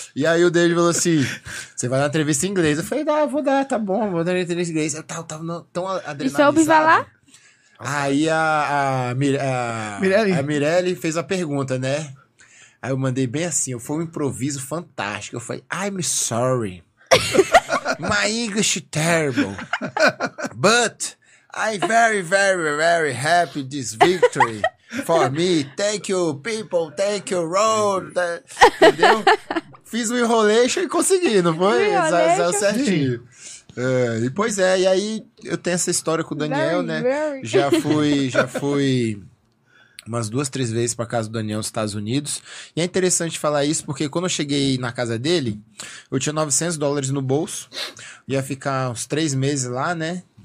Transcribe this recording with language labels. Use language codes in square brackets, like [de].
[pt] E aí o Dede falou assim, você vai dar uma entrevista em inglês. Eu falei, não, vou dar, tá bom, vou dar uma entrevista em inglês. Eu tava tão adrenalizado. E soube falar? Aí a Mirelle fez a pergunta, né? Aí eu mandei bem assim, foi um improviso fantástico. Eu falei, [en] I'm sorry. My English is terrible, but I'm very, very, very happy this victory for me. Thank you, people. Thank you, road. [pt] Entendeu? Fiz um enroleixo e consegui, não foi? Saiu certinho. E aí eu tenho essa história com o Daniel, né? Já fui umas duas, três vezes para casa do Daniel nos Estados Unidos. E é interessante falar isso, porque quando eu cheguei na casa dele, eu tinha $900 no bolso, ia ficar uns 3 meses lá, né?